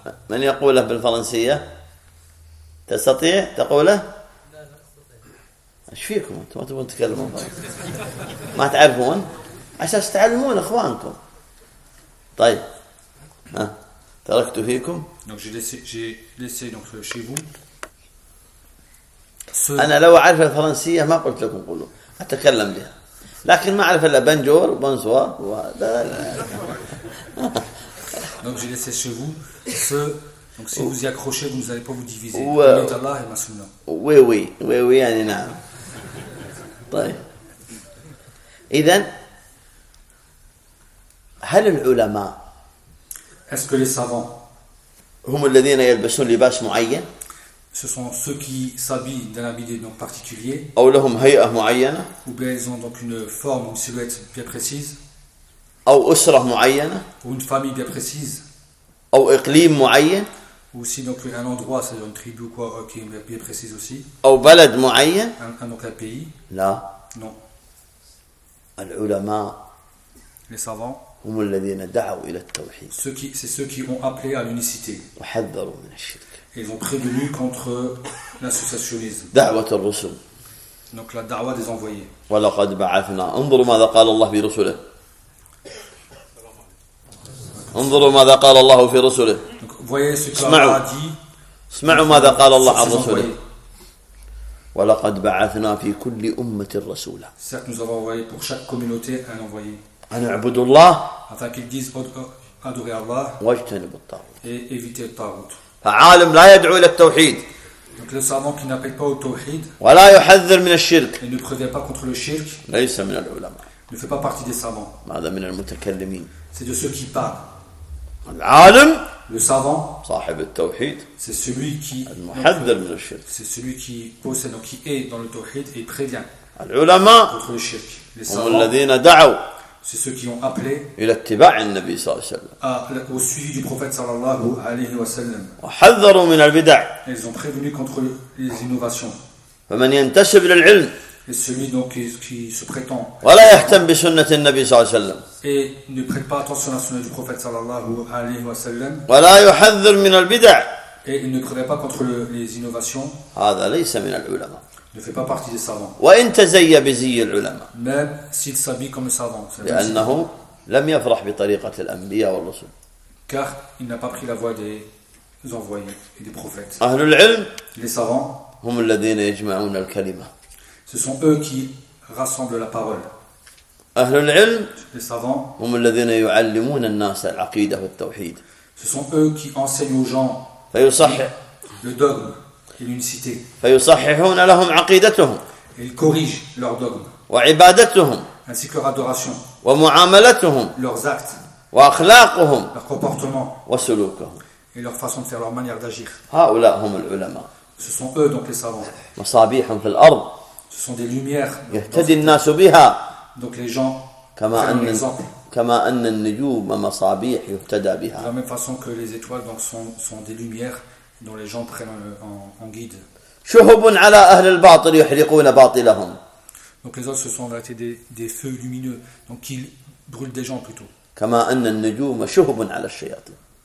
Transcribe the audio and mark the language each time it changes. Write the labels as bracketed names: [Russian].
[Arabic] من يقوله بالفرنسية تستطيع تقوله؟ لا ايش فيكم انتم ما تبون تكلمون ما تعرفون عشان تعلمون اخوانكم طيب تركت فيكم [French] donc j'ai laissé donc chez vous [Arabic] أنا لو أعرف الفرنسية ما قلت لكم قولوا أتكلم بها، لكن ما أعرف إلا بنجور وبونسوار وهذا. [French] Donc j'ai laissé chez vous ce. Donc si vous y accrochez, vous n'allez pas vous diviser. Oui, Allah et ma sunna. Oui, [Arabic] yani na'am. Idan, hal al-ulama? [French] Est-ce que les savants? [Arabic] هم الذين يلبسون لباس معين؟ [French] Ce sont ceux qui s'habillent d'un habit particulier. [Arabic] أو لهم هيئة معينة؟ [French] Ou bien ils ont donc une forme ou une silhouette bien précise. [Arabic] أو أسرة معينة. [French] Ou une famille bien précise. [Arabic] أو إقليم معين. [French] Ou si donc un endroit, c'est une tribu quoi, qui est bien précise aussi. [Arabic] أو بلد معين. [French] Un pays. [Arabic] لا. [French] Non. [Arabic] العلماء. [French] Les savants. [Arabic] هم الذين دعوا إلى التوحيد. [French] Ceux qui, c'est ceux qui ont appelé à l'unicité. [Arabic] وحذروا من الشرك. [French] Ils ont prévenu contre l'associationnisme. [Arabic] دعوة الرسل. [French] Donc la da'wa des envoyés. [Arabic] ولقد بعثنا. انظروا ماذا قال الله في رسله. انظروا ماذا قال الله في رسله. اسمعوا. اسمعوا ماذا قال الله عن رسله. ولقد بعثنا في كل أمة رسولا. [French] Certes, nous avons envoyé pour chaque communauté un envoyé. [Arabic] أن اعبدوا الله. [French] Afin qu'ils disent adorez Allah. [Arabic] واجتنبوا الطاغوت. [French] Et évitez le tawhid. [Arabic] فعالم لا يدعو إلى التوحيد. [French] Donc le savant qui n'appelle pas au tawhid. [Arabic] ولا يحذر من الشرك. [French] Et ne prévient pas contre le shirk. [Arabic] ليس من العلماء. [French] Ne fait pas partie des savants. [Arabic] هذا من المتكلمين. [French] C'est de ceux qui parlent. [Arabic] العالم. [French] Le savant. [Arabic] صاحب التوحيد. [French] C'est celui qui. [Arabic] المحذر من الشرك. [French] C'est celui qui possède donc qui est dans le tawhid et prévient. [Arabic] العلماء. [French] Contre le shirk. Les savants. [Arabic] هم الذين دعوا. [French] C'est ceux qui ont appelé [Arabic] إلى اتباع النبي صلى الله عليه وسلم. [French] Au suivi du prophète [Arabic] صلى الله عليه وسلم. وحذروا من البدع. [French] Ils ont prévenu contre les innovations. [Arabic] فمن ينتسب للعلم. [French] Et celui donc qui se prétend. [Arabic] ولا يهتم بسنة النبي صلى الله عليه وسلم. [French] Et ne prête pas attention à la sunna du prophète [Arabic] صلى الله عليه وسلم. ولا يحذر من البدع. [French] Et il ne prévient pas contre les innovations. [Arabic] هذا ليس من العلماء. [French] Ne fait pas partie des savants. [Arabic] وإن تزي بزي العلماء. [French] Même s'il s'habille comme un savant. [Arabic] لأنه لم يفرح بطريقة الأنبياء والرسل. [French] Car il n'a pas pris la voie des envoyés et des prophètes. [Arabic] أهل العلم. [French] Les savants. [Arabic] هم الذين يجمعون الكلمة. [French] Ce sont eux qui rassemblent la parole. [Arabic] أهل العلم. [French] Les savants. [Arabic] هم الذين يعلمون الناس العقيدة والتوحيد. [French] Ce sont eux qui enseignent aux gens. [Arabic] فيصحح. [French] Le dogme. L'unicité. [Arabic] فيصححون لهم عقيدتهم. [French] Ils corrigent leur dogme. [Arabic] وعبادتهم. [French] Ainsi que leur adoration. [Arabic] ومعاملتهم. [French] Leurs actes. [Arabic] وأخلاقهم. [French] Leur comportement. [Arabic] وسلوكهم. [French] Et leur façon de faire, leur manière d'agir. [Arabic] هؤلاء هم العلماء. [French] Ce sont eux donc les savants. [Arabic] مصابيحهم في الأرض. [French] Ce sont des lumières. [Arabic] يهتدي الناس بها. [French] Donc les gens. [Arabic] كما أن النجوم مصابيح يهتدى بها. [French] De la même façon que les étoiles donc sont des lumières. Dont les gens prennent en guide. [Arabic] شهب على أهل الباطل يحرقون باطلهم. [French] Donc les autres ce sont en réalité des feux lumineux, donc qui brûlent des gens plutôt. [Arabic] كما أن النجوم شهب على الشياطين.